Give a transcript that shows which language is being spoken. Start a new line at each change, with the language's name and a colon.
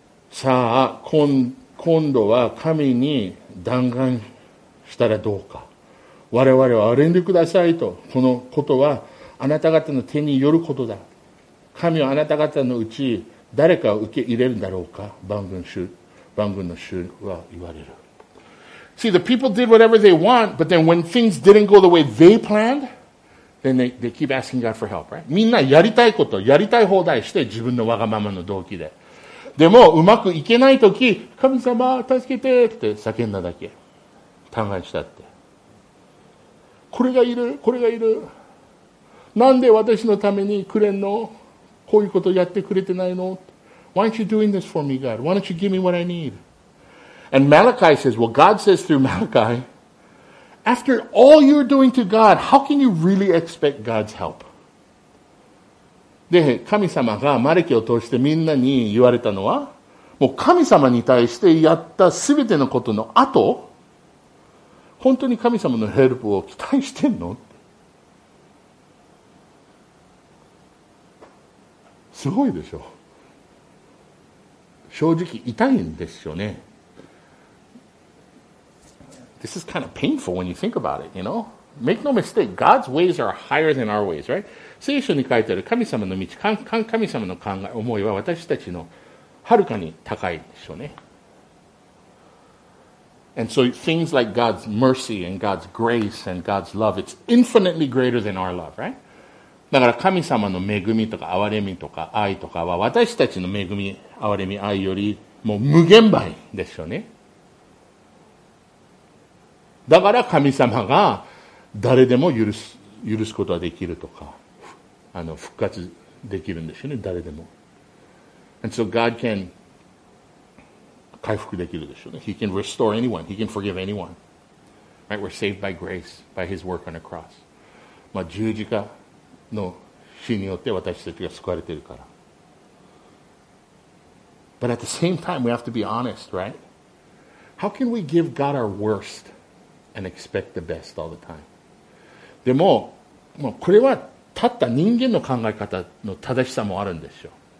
Japanese: さあ、今度は神に弾丸したらどうか。我々は憐んでくださいと。このことはあなた方の手によることだ。神はあなた方のうち誰かを受け入れるだろうか。万軍の主は言われる。
English: See, the people did whatever they want, but then when things didn't go the way they planned, then they keep asking God for help, right?
Japanese: みんなやりたいこと、やりたい放題して自分のわがままの動機で。でもうまくいけないとき、神様助けてって叫んだだけ、嘆願したって。これがいる、これがいる。なんで私のためにくれんの？こういうことやってくれてないの？
English: Why aren't you doing this for me, God? Why don't you give me what I need? And Malachi says, well, God says through Malachi, after all you're doing to God, how can you really expect God's help?
Japanese: で、神様がマルキを通してみんなに言われたのは、もう神様に対してやったすべてのことの後、本当に神様のヘルプを期待してんの？すごいでしょ。正直痛いんですよね。
English: This is kind of painful when you think about it, you know? Make no mistake, God's ways are higher than our ways, right?
Japanese: 聖書に書いてある神様の道、神様の考え、思いは私たちのはるかに高いでしょうね。
English: And so things like God's mercy and God's grace and God's love, it's infinitely greater than our love, right?
Japanese: だから神様の恵みとか憐れみとか愛とかは私たちの恵み、憐れみ、愛よりもう無限倍でしょうね。だから神様が誰でも許すことはできるとか。あの復活できるんですよね、誰でも。
English: And so God
Japanese: can 回復できるでしょうね。
English: He can restore anyone. He can forgive anyone. Right? We're saved by grace, by His work on the cross.
Japanese: まあ十字架の死によって私たちが救われてるから。
English: But at the same time, we have to be honest, right? How can we give God our worst and expect the best all the time?
Japanese: でも、まあ、これはたった人間の考え方の正しさもあるんですよ。